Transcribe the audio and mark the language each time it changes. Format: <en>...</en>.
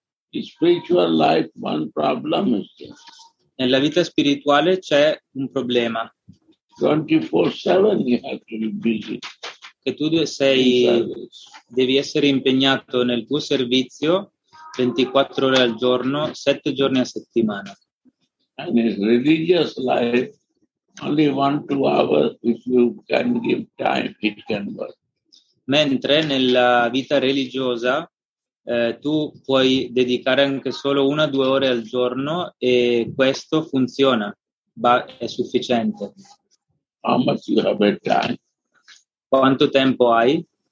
<en>The spiritual life, one problem is there.</en> <it>Nella vita spirituale c'è un problema.</it> <en>24/7 you have to be busy.</en> <it>Che tu sei, devi essere impegnato nel tuo servizio 24 ore al giorno, 7 giorni a settimana.</it> <en>And in religious life, only 1-2 hours, if you can give time, it can work.</en> <it>Mentre nella vita religiosa, tu puoi dedicare anche solo 1-2 ore al giorno e questo funziona, ma è sufficiente.</it> <en>How much you have a time?</en> <it>Quanto tempo hai?</it>